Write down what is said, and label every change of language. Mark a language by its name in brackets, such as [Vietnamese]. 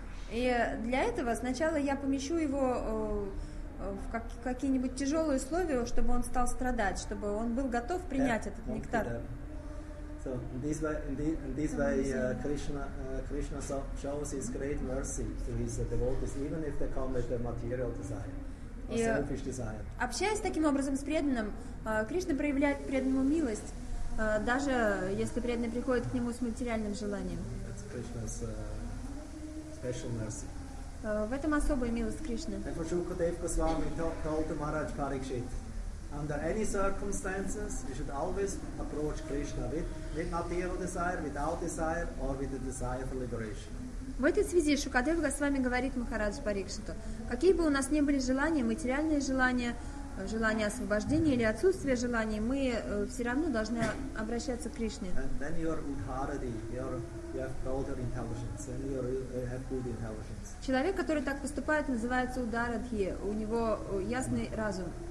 [Russian] И для этого сначала я помещу его в какие-нибудь тяжелые условия, чтобы он стал страдать, чтобы он был готов принять этот нектар. [English] So in this way, Krishna shows his great mercy to his devotees, even if they come with a material desire, a selfish desire. [Russian] Общаясь таким образом с преданным, Кришна проявляет преданному милость, даже если преданный приходит к нему с материальным желанием. [English] That's Krishna's special mercy. [Russian] В этом особая милость Кришны. [English] Therefore, Shukadev Goswami told the Maharaj Parikshit. Under any circumstances, we should always approach Krishna with material desire, without desire, or with a desire for liberation. [Russian] В этой связи Шукадев Госвами говорит Махарадж Парикшиту, какие бы у нас ни были желания, материальные желания, желания освобождения или отсутствие желаний, мы все равно должны обращаться к Кришне. [English] And then your Udharati, you have broader intelligence, and you have good intelligence. [Russian] Человек, который так поступает, называется Ударадхи, у него ясный разум.